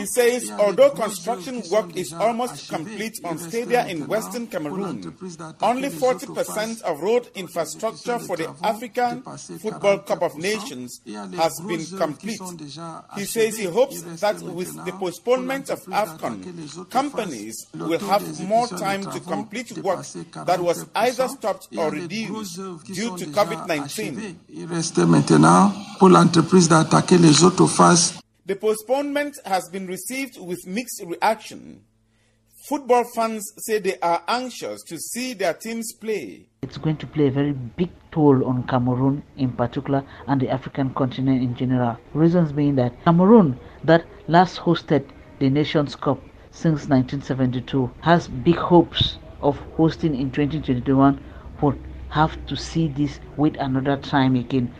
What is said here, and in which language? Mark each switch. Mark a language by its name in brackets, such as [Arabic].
[English] He says, although construction work is almost complete on stadia in western Cameroon, only 40% of road infrastructure for the African Football Cup of Nations has been complete. He says he hopes that with the postponement of AFCON, companies will have more time to complete work that was either stopped or reduced due to COVID-19. [French] Il reste maintenant pour la entreprise d'attaquer les autres phases. [English] The postponement has been received with mixed reaction. Football fans say they are anxious to see their teams play. It's going to play a very big toll on Cameroon in particular and the African continent in general. Reasons being that Cameroon, that last hosted the Nations Cup since 1972, has big hopes of hosting in 2021 for have to see this with another time again.